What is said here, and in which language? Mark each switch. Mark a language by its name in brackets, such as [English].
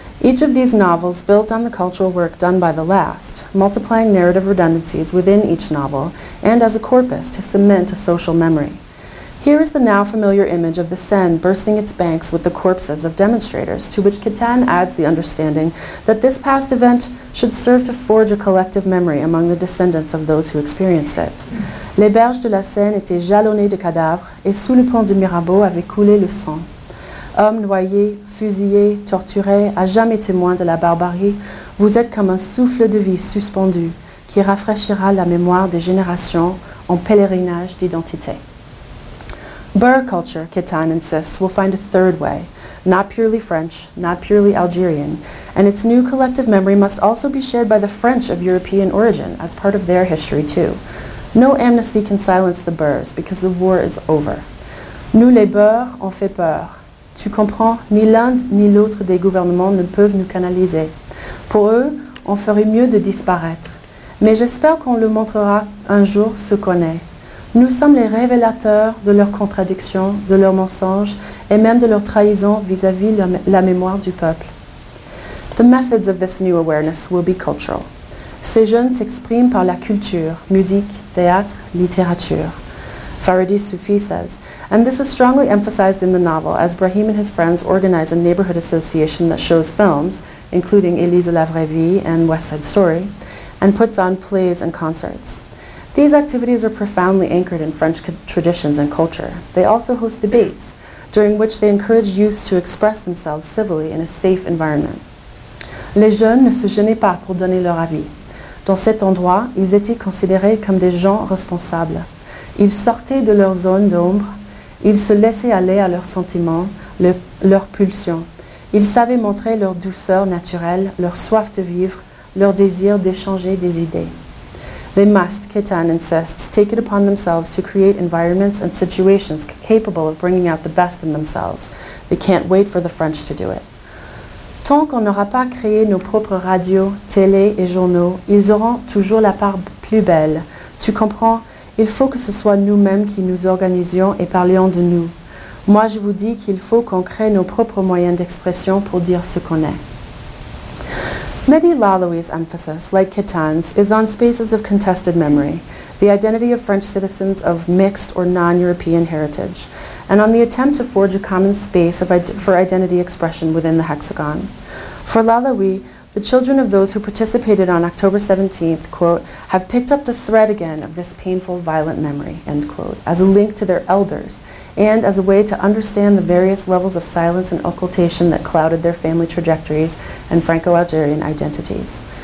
[English] Each of these novels builds on the cultural work done by the last, multiplying narrative redundancies within each novel and as a corpus to cement a social memory. Here is the now familiar image of the Seine bursting its banks with the corpses of demonstrators, to which Kitan adds the understanding that this past event should serve to forge a collective memory among the descendants of those who experienced it. [French] Les berges de la Seine étaient jalonnées de cadavres, et sous le pont de Mirabeau avait coulé le sang. Hommes noyés, fusillés, torturés, à jamais témoins de la barbarie, vous êtes comme un souffle de vie suspendu qui rafraîchira la mémoire des générations en pèlerinage d'identité. [English] Burr culture, Kitan insists, will find a third way, not purely French, not purely Algerian, and its new collective memory must also be shared by the French of European origin as part of their history too. No amnesty can silence the Burrs because the war is over. [French] Nous les Burrs, on fait peur. Tu comprends, ni l'un ni l'autre des gouvernements ne peuvent nous canaliser. Pour eux, on ferait mieux de disparaître. Mais j'espère qu'on le montrera un jour ce qu'on est. Nous sommes les révélateurs de leurs contradictions, de leurs mensonges, et même de leur trahison vis-à-vis la mémoire du peuple. [English] The methods of this new awareness will be cultural. [French] Ces jeunes s'expriment par la culture, musique, théâtre, littérature. [English] Faridi Soufi says, and this is strongly emphasized in the novel as Brahim and his friends organize a neighborhood association that shows films, including Elise de la Vraie Vie and West Side Story, and puts on plays and concerts. These activities are profoundly anchored in French traditions and culture. They also host debates, during which they encourage youths to express themselves civilly in a safe environment. [French] Les jeunes ne se gênaient pas pour donner leur avis. Dans cet endroit, ils étaient considérés comme des gens responsables. Ils sortaient de leur zone d'ombre, ils se laissaient aller à leurs sentiments, leurs pulsions. Ils savaient montrer leur douceur naturelle, leur soif de vivre, leur désir d'échanger des idées. [English] They must, Kitan insists, take it upon themselves to create environments and situations capable of bringing out the best in themselves. They can't wait for the French to do it. [French] Tant qu'on n'aura pas créé nos propres radios, télé et journaux, ils auront toujours la part plus belle. Tu comprends? Il faut que ce soit nous-mêmes qui nous organisions et parlions de nous. Moi, je vous dis qu'il faut qu'on crée nos propres moyens d'expression pour dire ce qu'on est. [English] Mehdi Lalouie's emphasis, like Kitan's, is on spaces of contested memory, the identity of French citizens of mixed or non-European heritage, and on the attempt to forge a common space of for identity expression within the hexagon. For Lalouie, the children of those who participated on October 17th, quote, have picked up the thread again of this painful, violent memory, end quote, as a link to their elders, and as a way to understand the various levels of silence and occultation that clouded their family trajectories and Franco-Algerian identities.